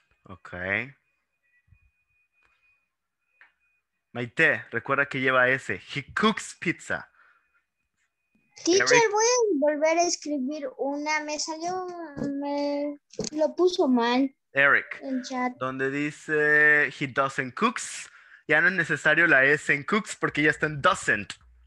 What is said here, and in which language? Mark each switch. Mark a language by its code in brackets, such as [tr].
[en] Okay. [es] Maite, recuerda que lleva ese. [en] He cooks pizza. [es] Teacher, voy a volver a escribir una. Me salió, me lo puso mal. Eric, en chat. Donde dice [en] he doesn't cooks. [es] Ya no es necesario la S en cooks porque ya está en doesn't.